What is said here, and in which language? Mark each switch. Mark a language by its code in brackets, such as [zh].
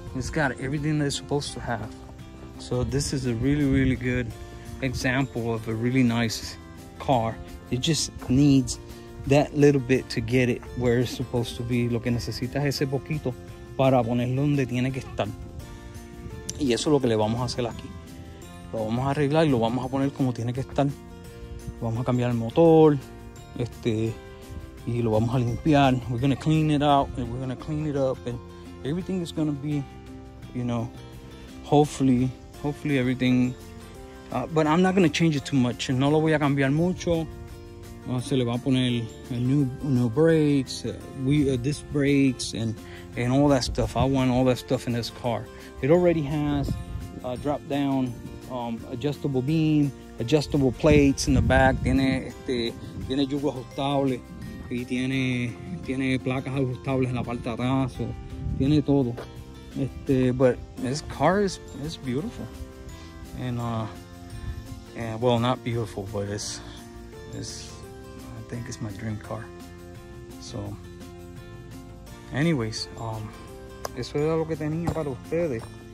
[en] It's got everything that it's supposed to have. So this is a really, really good example of a really nice car. It just needs that little bit to get it where it's supposed to be. [es] Lo que necesita es ese poquito para ponerlo donde tiene que estar. Y eso es lo que le vamos a hacer aquí. Lo vamos a arreglar y lo vamos a poner como tiene que estar. Vamos a cambiar el motor. Y lo vamos a limpiar. [en] We're going to clean it out. And we're going to clean it up. And everything is going to be, you know, hopefully everything. But I'm not going to change it too much. [es] No lo voy a cambiar mucho. Se le va a poner [en] new brakes. This brakes and all that stuff. I want all that stuff in this car. It already has a drop down adjustable beam, adjustable plates in the back. [es] Tiene yugo ajustable y tiene placas ajustables en la parte de atrás. [en] So, [es] tiene todo. [en] But this car is beautiful. And not beautiful, but it's I think it's my dream car. [es] So anyways, eso era lo que tenía para ustedes.